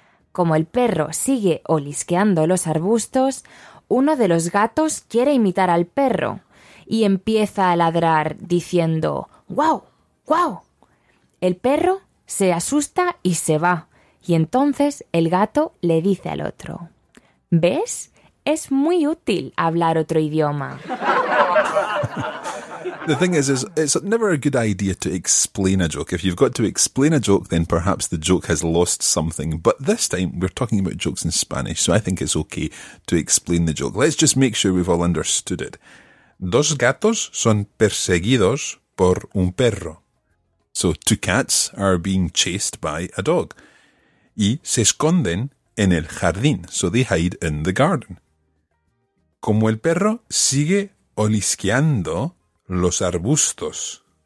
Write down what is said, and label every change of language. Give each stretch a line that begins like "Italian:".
Spanish: Como el perro sigue olisqueando los arbustos, uno de los gatos quiere imitar al perro y empieza a ladrar diciendo ¡guau! ¡Guau! El perro se asusta y se va, y entonces el gato le dice al otro: ¿ves? Es muy útil hablar otro idioma.
English: The thing is, it's never a good idea to explain a joke. If you've got to explain a joke, then perhaps the joke has lost something. But this time, we're talking about jokes in Spanish, so I think it's okay to explain the joke. Let's just make sure we've all understood it.
Spanish: Dos gatos son perseguidos por un perro.
English: So two cats are being chased by a dog.
Spanish: Y se esconden en el jardín.
English: So they hide in the garden.
Spanish: Como el perro sigue olisqueando los arbustos.